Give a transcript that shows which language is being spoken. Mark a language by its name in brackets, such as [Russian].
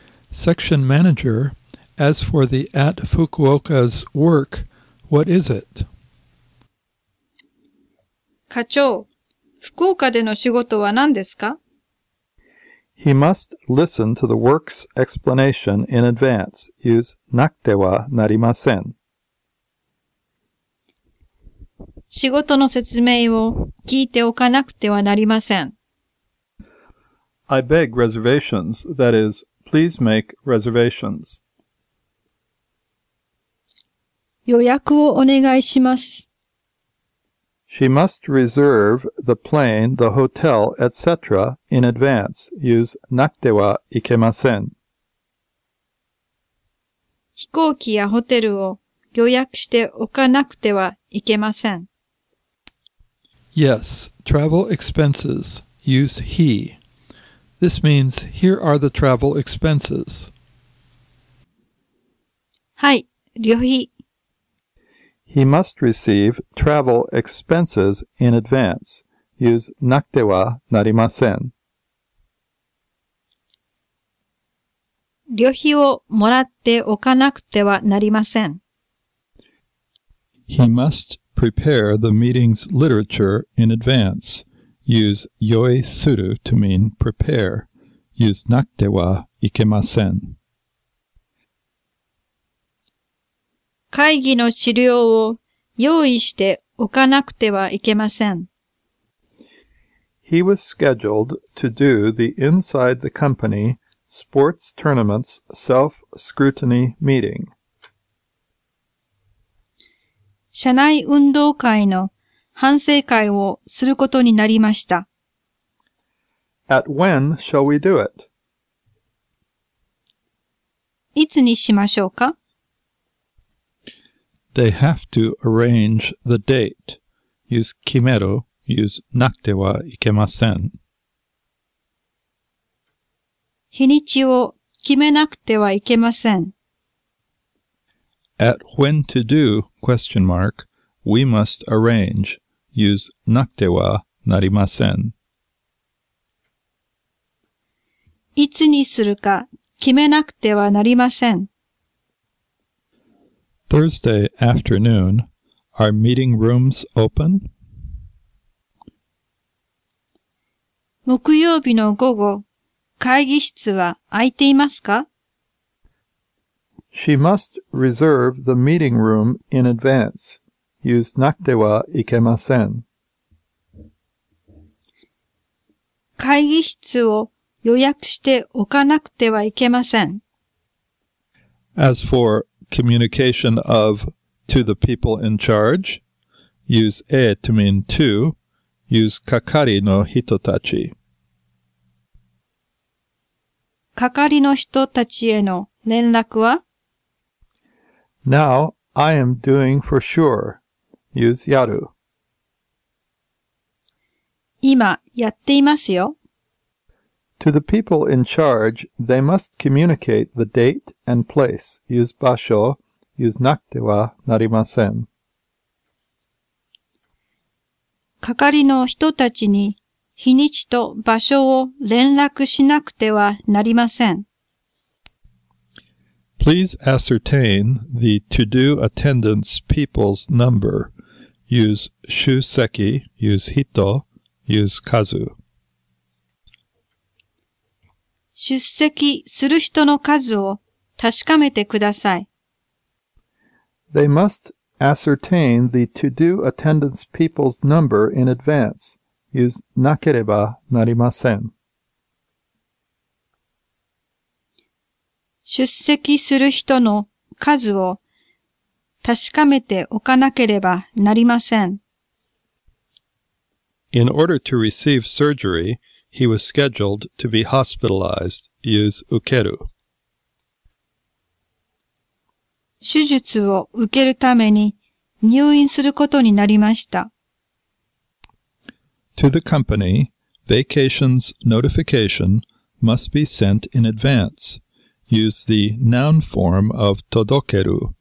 [English] Section Manager, as for the at Fukuoka's work, what is it? [Japanese] 課長、福岡での仕事は何ですか? [English] He must listen to the work's explanation in advance. Use [Japanese] なくてはなりません。仕事の説明を聞いておかなくてはなりません。 [English] I beg reservations, that is, please make reservations. [Japanese] 予約をお願いします。 [English] She must reserve the plane, the hotel, etc. in advance. Use [Japanese] なくてはいけません。飛行機やホテルを予約しておかなくてはいけません。 [English] Yes, travel expenses. Use he. This means here are the travel expenses. [Japanese] はい、旅費。 [English] He must receive travel expenses in advance. Use [Japanese] なくてはなりません。旅費をもらっておかなくてはなりません。 [English] He must prepare the meeting's literature in advance. Use 用意する to mean prepare. Use [Japanese] なくてはいけません。会議の資料を用意しておかなくてはいけません。 [English] He was scheduled to do the inside the company sports tournament's self-scrutiny meeting. [Japanese] 社内運動会の反省会をすることになりました。 [English] At when shall we do it? [Japanese] いつにしましょうか? [English] They have to arrange the date. Use 決める, use [Japanese] なくてはいけません。日にちを決めなくてはいけません。 [English] At when to do? Question mark. We must arrange. Use [Japanese] なくてはなりません。いつにするか決めなくてはなりません。 [English] Thursday afternoon, are meeting rooms open? [Japanese] 木曜日の午後、会議室は空いていますか? [English] She must reserve the meeting room in advance. [Japanese] Yuzu nakute wa ikemasen. 会議室を予約しておかなくてはいけません。 [English] As for communication of to the people in charge, use e to mean to, use [Japanese] kakari no hitotachi. Kakari no hitotachi へのの連絡は? [English] Now, I am doing for sure. Use yaru. [Japanese] 今やっていますよ。 [English] To the people in charge, they must communicate the date and place. Use 場所, use [Japanese] なくてはなりません。係の人たちに日にちと場所を連絡しなくてはなりません。 [English] Please ascertain the to-do attendance people's number. Use 出席, use 人, use 数。 [Japanese] 出席する人の数を確かめてください。 [English] They must ascertain the to-do attendance people's number in advance. Use [Japanese] なければなりません。出席する人の数を確かめておかなければなりません。 [English] In order to receive surgery,He was scheduled to be hospitalized. Use 受ける。 [Japanese] 手術を受けるために入院することになりました。 [English] To the company, vacation's notification must be sent in advance. Use the noun form of 届ける。